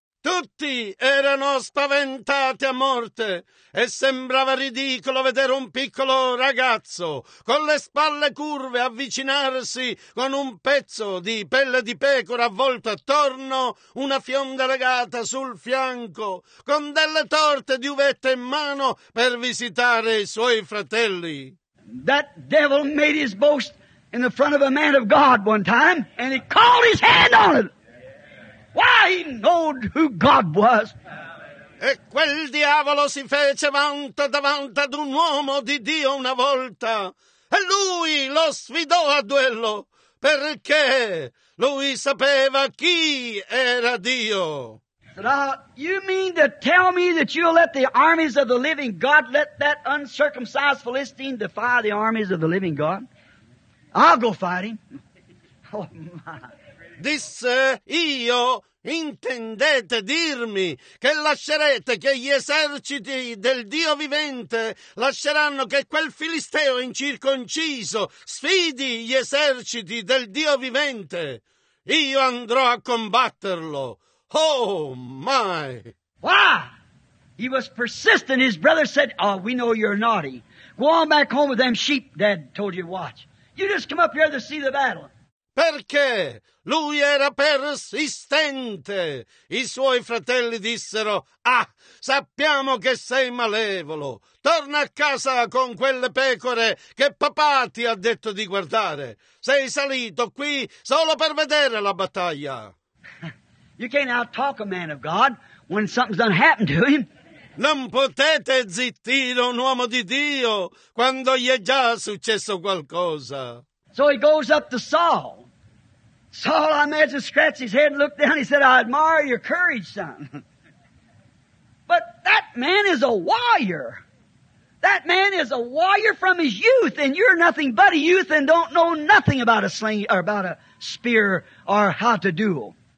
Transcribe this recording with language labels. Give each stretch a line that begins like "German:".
Italian: Tutti erano spaventati a morte e sembrava ridicolo vedere un piccolo ragazzo con le spalle curve avvicinarsi con un pezzo di pelle di pecora avvolto attorno, una fionda legata sul fianco, con delle torte di uvetta in mano per visitare i suoi fratelli.
English: That devil made his boast in the front of a man of God one time, and he called his hand on it. Why, he knowed who God was.
Italian: E quel diavolo si fece vanto davanti ad un uomo di Dio una volta, e lui lo sfidò a duello, perché lui sapeva chi era Dio.
English: You mean to tell me that you'll let the armies of the living God, let that uncircumcised Philistine defy the armies of the living God? I'll go fight him. Oh, my.
Italian: Disse, io, intendete dirmi che lascerete che gli eserciti del Dio vivente lasceranno che quel Filisteo incirconciso sfidi gli eserciti del Dio vivente? Io andrò a combatterlo.
English: Oh, my! Why? He was persistent. His brother said, oh, we know you're naughty. Go on back home with them sheep, Dad told you to watch. You just come up here to see the battle.
Italian: Perché? Lui era persistente. I suoi fratelli dissero, ah, sappiamo che sei malevolo. Torna a casa con quelle pecore che papà ti ha detto di guardare. Sei salito qui solo per vedere la battaglia.
English: You can't out-talk a man of God when something's done happened to him.
Italian: Non potete zittire un uomo di Dio quando gli è già successo qualcosa.
English: So he goes up to Saul. Saul, I imagine, scratched his head and looked down. He said, I admire your courage, son. But that man is a warrior. That man is a warrior from his youth, and you're nothing but a youth and don't know nothing about a sling or about a spear or how to duel.